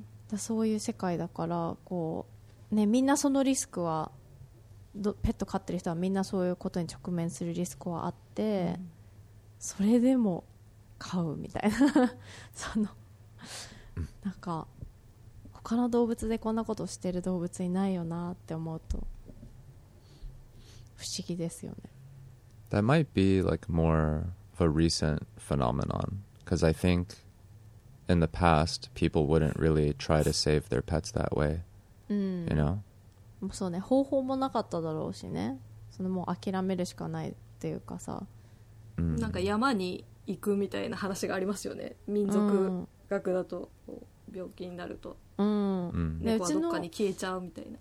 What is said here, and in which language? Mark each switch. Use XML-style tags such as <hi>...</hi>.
<ja>な、そういう世界だからこう、ね、みんなそのリスクは、ペット飼ってる人はみんなそういうことに直面するリスクはあって、それでも飼うみたいなそのなんか他の動物でこんなことしてる動物いないよなって思うと不思議ですよね。</ja> <en>That might be like more of a recent phenomenon, because I think in the past people wouldn't really try to save their pets that way. You know?</en> <ja>そうね、方法もなかっただろうしね。そのもう諦めるしかないっていうかさ。なんか山に行くみたいな話がありますよね。民族学だと病気になると。猫はどっかに消えちゃうみたいな。</ja>